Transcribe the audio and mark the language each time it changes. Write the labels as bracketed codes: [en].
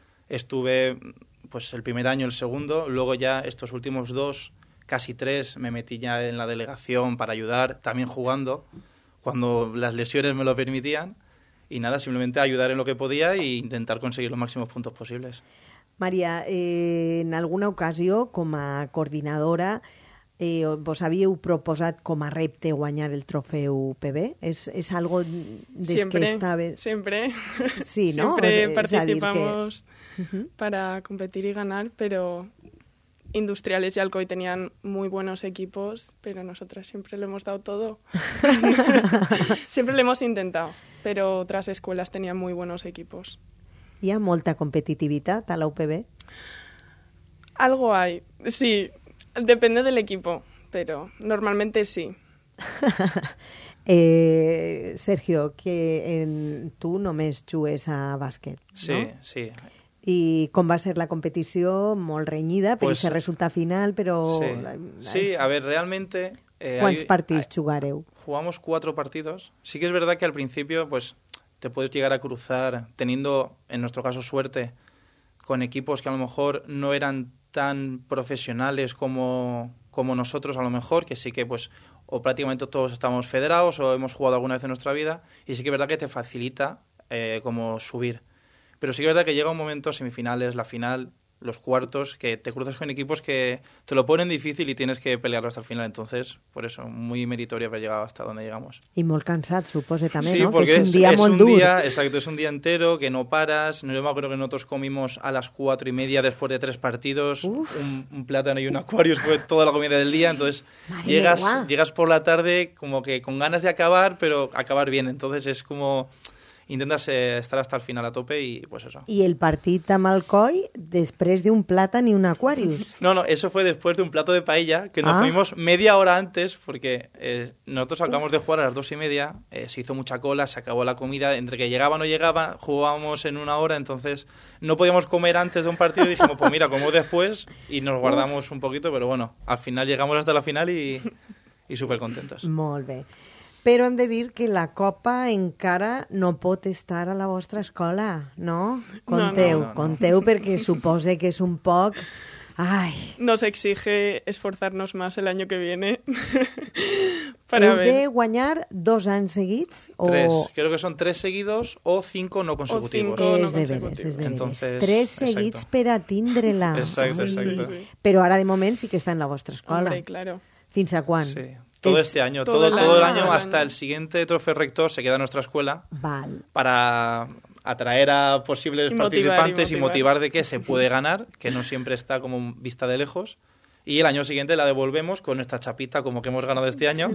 [es] Estuve pues el primer año, el segundo, luego ya estos últimos 2, casi 3, me metí ya en la delegación para ayudar, también jugando, cuando las lesiones me lo permitían. Y nada, simplemente ayudar en lo que podía e intentar conseguir los máximos puntos posibles. [ca] Maria, en alguna ocasió, com a coordinadora, vos havíeu proposat com a repte guanyar el trofeu PB? És algo des sempre, que estava... Sempre, sí, ¿no? [es] Sempre participamos para competir y ganar, pero Industriales y Alcoy tenían muy buenos equipos, pero nosotras siempre lo hemos dado todo. Siempre lo hemos intentado. Pero otras escuelas tenían muy buenos equipos. ¿Y hay mucha competitividad a la UPB? Algo hay, sí. Depende del equipo, pero normalmente sí. [ca] Sergio, que tú només jugues a bàsquet, ¿no? Sí, sí. [es] ¿Y cómo va a ser la competición? Molt reñida, pero pues, se resulta final, pero... Sí, sí, a ver, realmente... ¿Cuántos partidos jugareu? Jugamos 4 partidos. Sí que es verdad que al principio pues te puedes llegar a cruzar teniendo, en nuestro caso, suerte con equipos que a lo mejor no eran tan profesionales como nosotros, a lo mejor, que sí que pues o prácticamente todos estamos federados o hemos jugado alguna vez en nuestra vida, y sí que es verdad que te facilita como subir. Pero sí que es verdad que llega un momento, semifinales, la final, los cuartos, que te cruzas con equipos que te lo ponen difícil y tienes que pelearlo hasta el final. Entonces, por eso, muy meritorio haber llegado hasta donde llegamos. Y muy cansado, supose también, sí, ¿no? Sí, porque es un día, es un día entero que no paras. Yo me acuerdo que nosotros comimos a las 4:30 después de 3 partidos, un plátano y un acuario, fue toda la comida del día. Entonces, llegas por la tarde como que con ganas de acabar, pero acabar bien. Entonces, es como... Intentas estar hasta el final a tope y pues eso. [ca] ¿Y el partit amb el coi després de un plàtan i un Aquarius? [es] No, eso fue después de un plato de paella que nos fuimos media hora antes porque nosotros acabamos de jugar a las 2:30, se hizo mucha cola, se acabó la comida, entre que llegaba o no llegaba, jugábamos en una hora, entonces no podíamos comer antes de un partido y dijimos, pues mira, como después y nos guardamos un poquito, pero bueno, al final llegamos hasta la final y súper contentos. [ca] Molt bé. Però hem de dir que la copa encara no pot estar a la vostra escola, no? Conteu, perquè supose que és un poc... Ai. [es] Nos exige esforzarnos más el año que viene. [ca] Heu de guanyar 2 anys seguits? O... [es] 3, creo que son 3 seguidos o 5 no consecutivos. [ca] És de veres, és de veres. 3 seguits per a tindre-la. Exacte, exacte. Sí. Però ara de moment sí que està en la vostra escola. [es] Hombre, claro. [ca] Fins a quan? Sí. [es] Todo este año, todo el año hasta el siguiente trofeo rector se queda en nuestra escuela para atraer a posibles participantes y motivar de que se puede ganar, que no siempre está como vista de lejos. Y el año siguiente la devolvemos con esta chapita como que hemos ganado este año.